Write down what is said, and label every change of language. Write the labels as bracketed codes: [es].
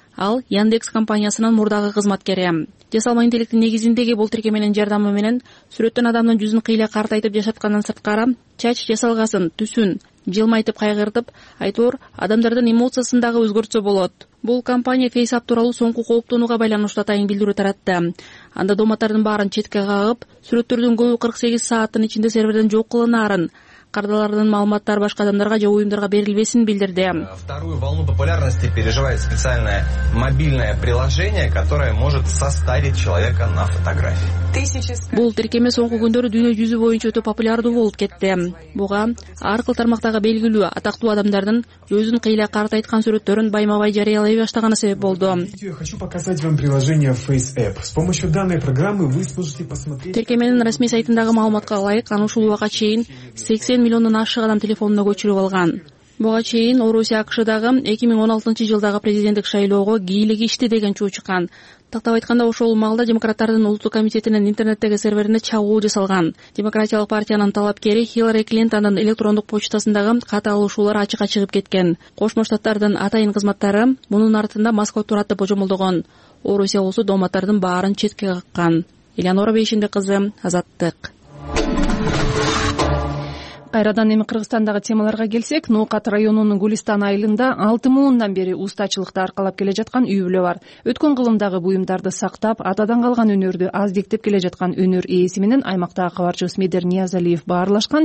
[ky] Ал Яндекс компаниясынын мурдагы кызматкери. Жасалма интеллекттин негизиндеги бул тиркеменин жардамы менен сүрөттөн адамдын жүзүн кыйла картайтып жашаткандан сырткары чач жасалгасын, түсүн жылмайтып кайгыртып, айтор адамдардын эмоциясын дагы өзгөртсө болот. Бул компания FaceApp тууралуу соңку кооптонууга байланыштуу атайын билдирүү таратты. Анда дооматтардын баарын четке кагып, сүрөттөрдүн көбү 48 сааттын ичинде серверден жок кылынаарын, кардалардын маалыматтары башка адамдарга же уюмдарга берилбесин билдирди. [ru] Вторую волну популярности переживает специальное мобильное приложение, которое может составить человека на фотографии. [ky] Бул тиркеме соңку күндөрү дүйнө жүзү боюнча өтө популярдуу болуп кетти. Буга ар кыл тармактагы белгилүү атактуу адамдардын өзүн кыйла картайткан сүрөттөрүн байма-бай жарыялай баштаганы себеп болду. Тиркеменин расмий сайтындагы маалыматка ылайык, аны ушул убакка чейин 80 миллиондон ашык адам телефонуна көчүрүп алган. Буга чейин Орусия АКШдагы 2016-жылдагы президенттик шайлоого кийлиги ишти деген чуу чыккан. Тактап айтканда, ошол маалда демократтардын улуттук комитетинин интернеттеги серверине чагуу жасалган. Демократиялык партиянын талапкери Хиллари Клинтондун электрондук почтасындагы кат алышуулар ачыкка чыгып кеткен. Кошмо Штаттардын атайын кызматтары мунун артында Москва турат деп божомолдогон. Орусия болсо дооматтардын баарын четке каккан. Элеонора Бейшенбек кызы, Азаттык. Кайрадан эми Кыргызстандагы темаларга келсек, Ноокат районунун Гулистан айылында 6 муундан бери устачылыкты аркалап келе жаткан үй бүлө бар. Өткөн кылымдагы буюмдарды сактап, атадан калган өнөрдү аздектеп келе жаткан өнөр ээси менен аймактагы кабарчыбыз Медер Ниязалиев баарлашкан.